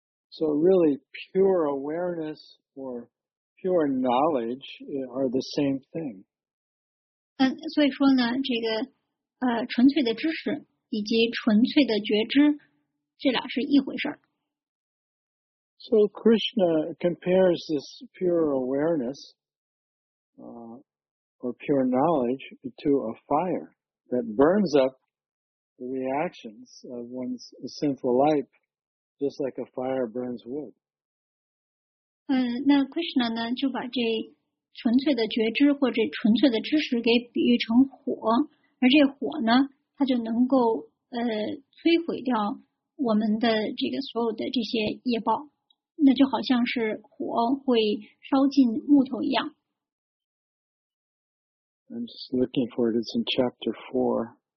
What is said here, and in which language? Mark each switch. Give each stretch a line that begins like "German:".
English: So really pure awareness or pure knowledge are the same thing.
Chinese: 所以说呢，这个纯粹的知识以及纯粹的觉知，这俩是一回事。
English: So Krishna compares this pure awareness, or pure knowledge to a fire that burns up the reactions of one's sinful life, just like a fire burns wood.
Chinese: 那 Krishna 呢就把这纯粹的觉知或者纯粹的知识给比喻成火，而这火呢，它就能够摧毁掉我们的这个所有的这些业报。那就好像是火会烧进木头一样。
English: I'm just looking for it. It's in chapter 4.